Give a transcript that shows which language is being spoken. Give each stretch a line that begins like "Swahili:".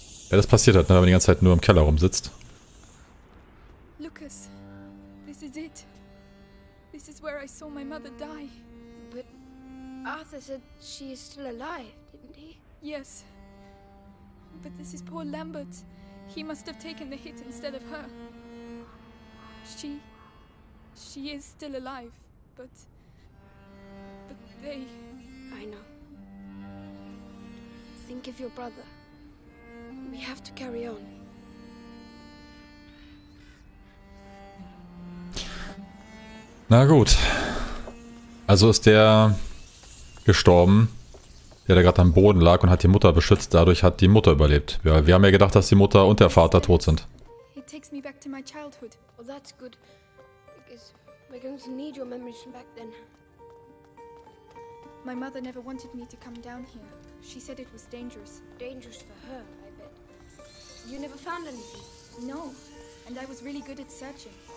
German: Ja, das passiert hat, ne, wenn man die ganze Zeit nur im Keller rumsitzt.
English: Lukas, this is it. This is where I saw my mother die. But Arthur said she is still alive, didn't he? Yes. But this is poor Lambert. He must have taken the hit instead of her. She is still alive, but they... I know. Think of your brother. We have to carry on.
German: Na gut. Also ist der gestorben, der da gerade am Boden lag und hat die Mutter beschützt. Dadurch hat die Mutter überlebt. Ja, wir haben ja gedacht, dass die Mutter und der Vater tot sind.
English: It takes me back to my childhood. Oh, that's good. Because we're going to need your memories from back then. My mother never wanted me to come down here. She said it was dangerous. Dangerous for her, I bet. You never found anything? No. And I was really good at searching.